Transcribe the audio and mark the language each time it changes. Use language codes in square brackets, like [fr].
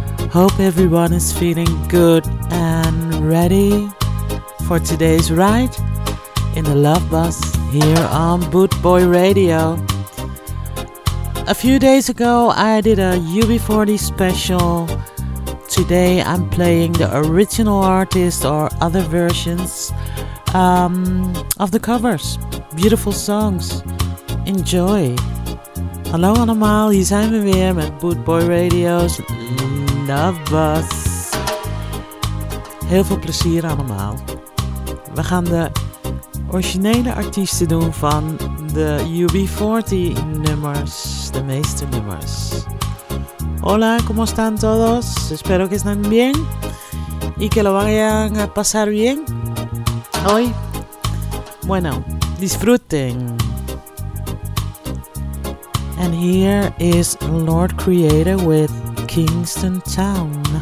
[en] Hope everyone is feeling good and ready for today's ride in the Love Bus here on Boot Boy Radio. A few days ago I did a UB40 special. Today I'm playing the original artist or other versions of the covers. Beautiful songs. Enjoy. [nl] Hallo allemaal, hier zijn we weer met Boot Boy Radio's Love Bus. Heel veel plezier allemaal. We gaan de originele artiesten doen van de UB40 nummers, de meeste nummers. [es] Hola, ¿cómo están todos? Espero que estén bien y que lo vayan a pasar bien hoy. Bueno, disfruten. [en] And here is Lord Creator with Kingston Town.